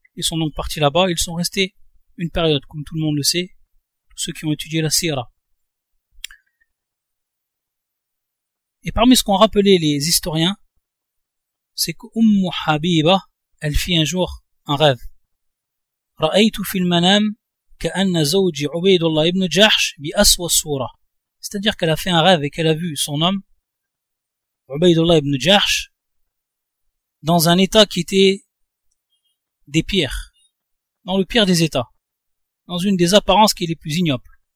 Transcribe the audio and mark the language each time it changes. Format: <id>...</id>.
<fr>Ils sont donc partis là-bas, ils sont restés une période, comme tout le monde le sait, tous ceux qui ont étudié la Sira. Et parmi ce qu'ont rappelé les historiens, c'est que Umm Habiba, elle fit un jour un rêve.</fr> <ar>Ra'aytu fil manam كأن زوجي عبيد الله ابن جحش بأسوى صورة.</ar> <fr>C'est-à-dire qu'elle a fait un rêve et qu'elle a vu son homme, Ubaydullah ibn Jahsh, dans un état qui était des pires, dans le pire des états. dans une des apparences qui est les plus ignobles.</fr>